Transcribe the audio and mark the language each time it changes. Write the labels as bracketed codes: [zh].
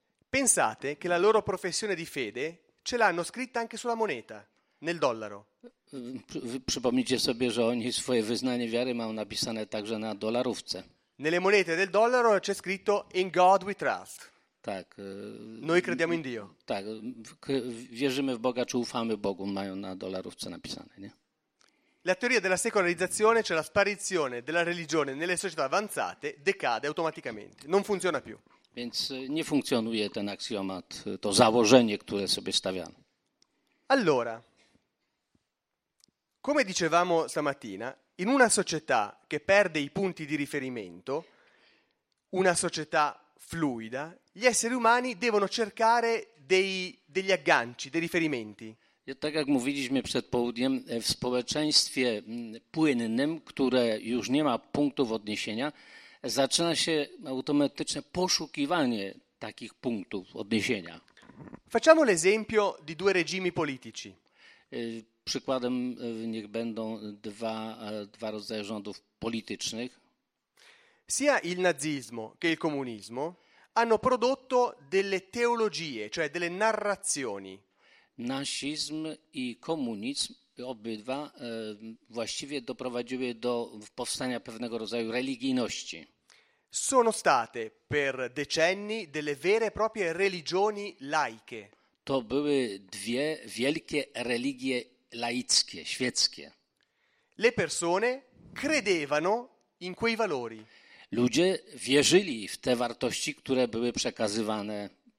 [it] Pensate che la loro professione di fede ce l'hanno scritta anche sulla moneta, nel dollaro. [pl] Przypomnijcie sobie, że oni swoje wyznanie wiary mają napisane także na dolarówce. [it] Nelle monete del dollaro c'è scritto [en] In God we trust. [pl] Tak. [it] Noi crediamo in Dio. [pl] Tak, wierzymy w Boga, czy ufamy Bogu, mają na dolarówce napisane, nie? [it] La teoria della secolarizzazione, cioè la sparizione della religione nelle società avanzate, decade automaticamente. Non funziona più. [pl] Więc nie funkcjonuje ten aksjomat, to założenie, które sobie stawiamy. [it] Allora, come dicevamo stamattina, in una società che perde i punti di riferimento, una società fluida, gli esseri umani devono cercare degli agganci, dei riferimenti. [pl] Tak jak mówiliśmy przed południem, w społeczeństwie płynnym, które już nie ma punktów odniesienia, zaczyna się automatyczne poszukiwanie takich punktów odniesienia. [it] Facciamo l'esempio di due regimi politici. [pl] Przykładem niech będą dwa rodzaje rządów politycznych. [it] Sia il nazismo che il comunismo hanno prodotto delle teologie, cioè delle narrazioni. [pl] Nazizm i komunizm obydwa właściwie doprowadziły do powstania pewnego rodzaju religijności. [it] Sono state per decenni delle vere e proprie religioni laiche. [pl] To były dwie wielkie religie laickie, świeckie. [it] Le persone credevano in quei valori. [pl] Ludzie wierzyli w te wartości, które były przekazywane